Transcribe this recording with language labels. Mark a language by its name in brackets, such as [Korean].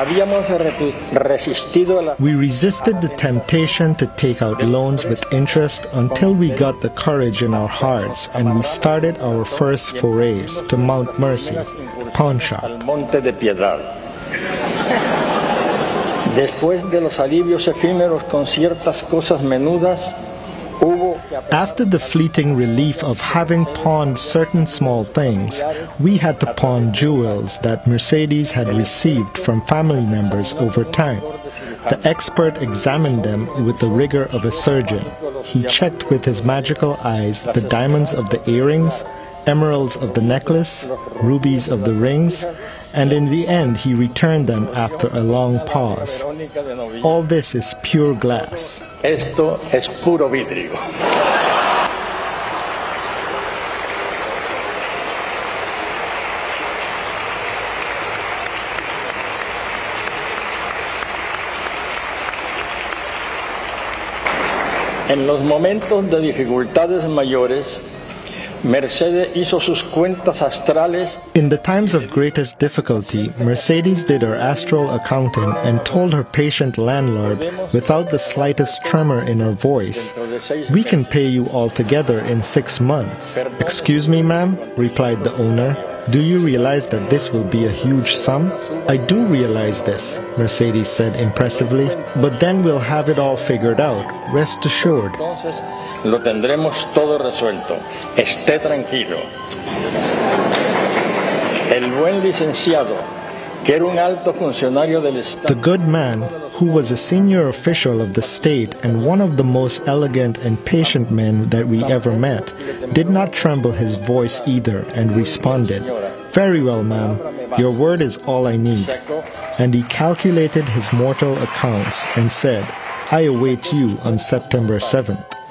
[English] We resisted the temptation to take out loans with interest until we got the courage in our hearts and we started our first forays to Mount Mercy, pawn shop. [Spanish] Después de los alivios efímeros con ciertas cosas menudas, [English] after the fleeting relief of having pawned certain small things, we had to pawn jewels that Mercedes had received from family members over time. The expert examined them with the rigor of a surgeon. He checked with his magical eyes the diamonds of the earrings, emeralds of the necklace, rubies of the rings, and in the end he returned them after a long pause. All this is pure glass. [Spanish] Esto es puro vidrio. En los momentos de dificultades mayores, Mercedes hizo sus cuentas astrales. [English] In the times of greatest difficulty, Mercedes did her astral accounting and told her patient landlord, without the slightest tremor in her voice, "We can pay you all together in 6 months." "Excuse me, ma'am," replied the owner. "Do you realize that this will be a huge sum?" "I do realize this," Mercedes said impressively. "But then we'll have it all figured out. Rest assured." [Spanish] Lo tendremos todo resuelto. Esté tranquilo. El buen licenciado, que era un alto funcionario del estado. [English] The good man, who was a senior official of the state and one of the most elegant and patient men that we ever met, did not tremble his voice either and responded, "Very well, ma'am. Your word is all I need." And he calculated his mortal accounts and said, "I await you on September 7th.